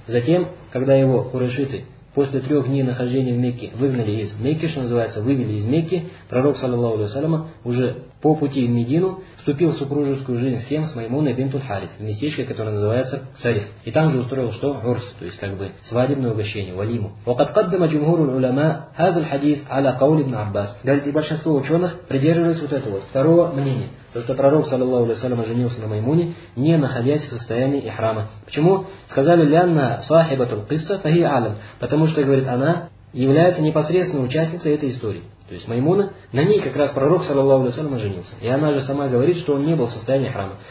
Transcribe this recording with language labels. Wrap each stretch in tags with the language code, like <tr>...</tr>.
<ru>Затем, когда его курайшиты после трех дней нахождения в Мекке выгнали из Мекки, что называется, вывели из Мекки, пророк, саллаллаху алейхи ва саллям, уже по пути в Медину вступил в супружескую жизнь с кем? С Маймуной бинт аль-Харис, в местечке, которое называется Сариф. И там же устроил что? Урс, то есть как бы свадебное угощение, валиму.</ru> <ar>وقد قدم جمهور العلماء هذا الحديث على قول ابن عباس.</ar> <ru>Говорит, и большинство ученых придерживались вот этого вот второго мнения. То, что пророк, саллаллаху алейхи ва саллям, женился на Маймуне, не находясь в состоянии ихрама. Почему? Сказали,</ru> <ar>лянна сахибатул кисса фахи алам.</ar> <ru>Потому что, говорит, она является непосредственной участницей этой истории. То есть Маймуна, на ней как раз пророк, саллаллаху алейхи ва саллям, женился. И она же сама говорит, что он не был в состоянии ихрама.</ru>